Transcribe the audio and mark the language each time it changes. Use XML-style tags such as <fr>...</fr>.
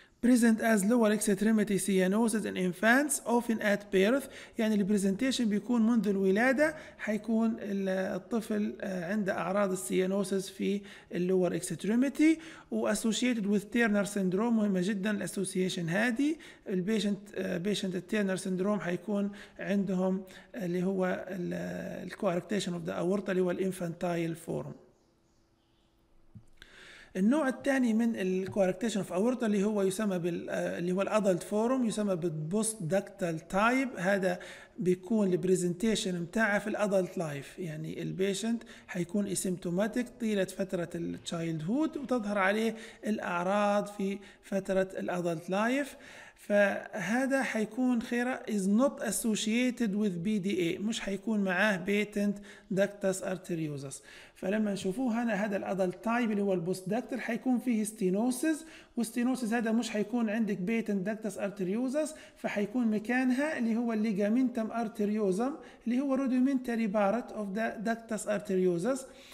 <en>Present as lower extremity cyanosis in infants often at birth.</en> <ar>يعني البريزنتيشن بيكون منذ الولادة، حيكون الطفل عند أعراض السيانوسس في اللور اكستريميتي، واسوشيتد وذ تيرنر سيندروم. مهمة جدا الاسوشيشن هذه، البيشنت التيرنر سيندروم حيكون عندهم اللي هو الكواركتيشن اوف ذا اورتا اللي هو الانفانتايل فورم. النوع الثاني من الكواركتيشن اوف اورتا اللي هو يسمى اللي هو الادلت فورم، يسمى بالبوست داكتال تايب. هذا بيكون البريزنتيشن متاعه في الادلت لايف، يعني البيشنت حيكون اسيمتوماتيك طيلة فترة التشايلد هود، وتظهر عليه الاعراض في فترة الادلت لايف. فهذا حيكون خيرا</ar> <en>is not associated with BDA،</en> <ar>مش حيكون معاه patent ductus arteriosus. فلما نشوفوه هنا هذا الادلت تايب اللي هو البوست داكتل حيكون فيه ستينوسز، والستينوسز هذا مش حيكون عندك بيتن داكتس ارتريوزس، فحيكون مكانها اللي هو الليجامنتم ارتريوزم اللي هو رودومنتري بارت اوف ذا داكتس ارتريوزس.</ar>